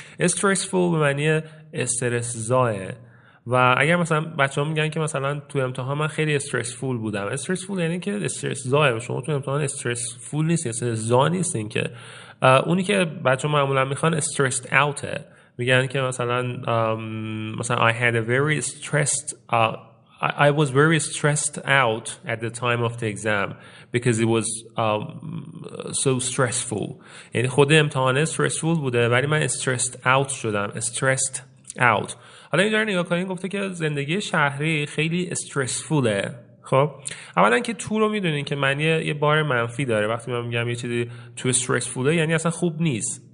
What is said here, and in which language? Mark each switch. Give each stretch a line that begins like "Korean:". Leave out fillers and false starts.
Persian: استرسفول به معنی استرس زایه. و اگر مثلا بچه هم میگن که مثلا تو امتحان من خیلی استرسفول بودم، استرسفول یعنی که استرس زایه. شما تو امتحان استرسفول نیستین، استرس زا نیستین، که اونی که بچه هم معمولا میخوان استرسد اوته. میگن که مثلا
English: I had a very stressed I was very stressed out at the time of the exam because it was so stressful.
Persian: یعنی خود امتحانه stressful بوده ولی من stressed out شدم.
English: Stressed out.
Persian: حالا اینجا رو نگاه کنیم، گفته که زندگی شهری خیلی stressfulه. خب اولا که تو رو میدونین که معنی یه بار منفی داره. وقتی من میگم یه چیزی too stressfulه یعنی اصلا خوب نیست.